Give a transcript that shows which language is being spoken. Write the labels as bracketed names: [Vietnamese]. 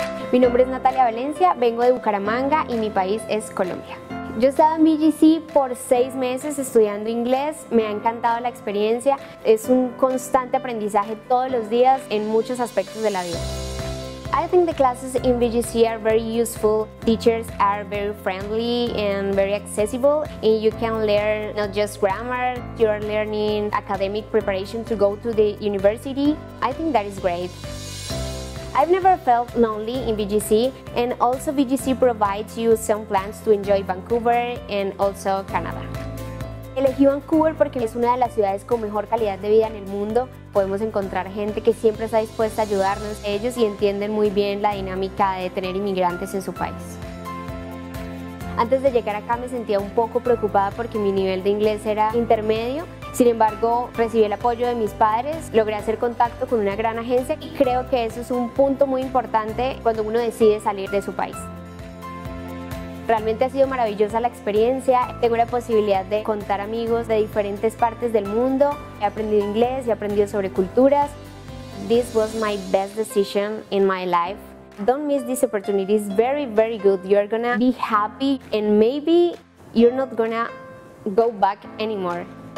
[Spanish] Mi nombre es Natalia Valencia, vengo de Bucaramanga y mi país es Colombia. Yo he estado en BGC por 6 meses estudiando inglés, me ha encantado la experiencia. Es un constante aprendizaje todos los días en muchos aspectos de la vida. [English] I think the classes in BGC are very useful. Teachers are very friendly and very accessible. And you can learn not just grammar, you're learning academic preparation to go to the university. I think that is great. I've never felt lonely in BGC, and also BGC provides you some plans to enjoy Vancouver and also Canada. [Spanish] Elegí Vancouver porque es una de las ciudades con mejor calidad de vida en el mundo. Podemos encontrar gente que siempre está dispuesta a ayudarnos. Ellos y entienden muy bien la dinámica de tener inmigrantes en su país. Antes de llegar acá me sentía un poco preocupada porque mi nivel de inglés era intermedio. Sin embargo, recibí el apoyo de mis padres, logré hacer contacto con una gran agencia y creo que eso es un punto muy importante cuando uno decide salir de su país. Realmente ha sido maravillosa la experiencia. Tengo la posibilidad de contar amigos de diferentes partes del mundo. He aprendido inglés, he aprendido sobre culturas. [English] This was my best decision in my life. Don't miss this opportunity. It's very, very good. You're gonna be happy and maybe you're not gonna go back anymore.